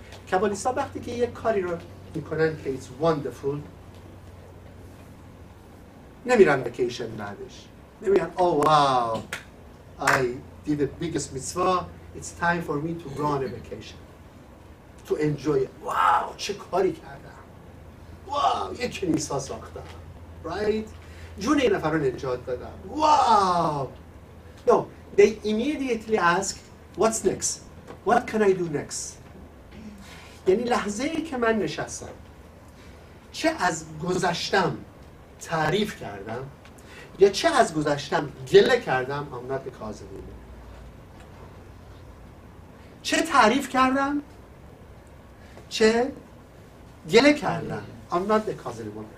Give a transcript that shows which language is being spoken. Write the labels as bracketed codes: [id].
[fa] کابالیستا وقتی که یک کاری رو میکنن که [en] it's wonderful، [fa] نمیرن [en] vacation [fa] بعدش، نمیرن [en] oh wow I did the biggest mitzvah، it's time for me to go on a vacation to enjoy it. [fa] Wow, چه کاری کردم، wow یک کلیسا ساختم، right، جون این نفر رو نجات دادم، wow. [en] No, they immediately ask what's next، what can I do next. [fa] یعنی لحظه ای که من نشستم چه از گذشتم تعریف کردم یا چه از گذشتم گله کردم، [en] I'm not the cause of it. [fa] چه تعریف کردم؟ چه گله کردم؟ [en] I'm not the cause anymore.